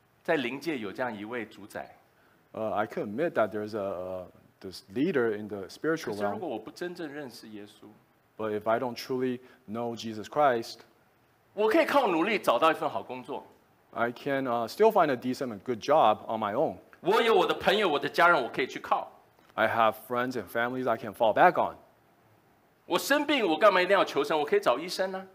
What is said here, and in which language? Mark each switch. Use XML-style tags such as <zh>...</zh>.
<zh>我不要说不信任，我可以承认，在灵界有这样一位主宰。</zh> <en>I can admit that there's this leader in the spiritual realm.</en> <zh>可是如果我不真正认识耶稣，</zh> <en>But if I don't truly know Jesus Christ,</en> <zh>我可以靠努力找到一份好工作。</zh> <en>I can still find a decent and good job on my own.</en> <zh>我有我的朋友，我的家人，我可以去靠。</zh> <en>I have friends and families I can fall back on.</en> <zh>我生病，我干嘛一定要求神？我可以找医生呢。</zh>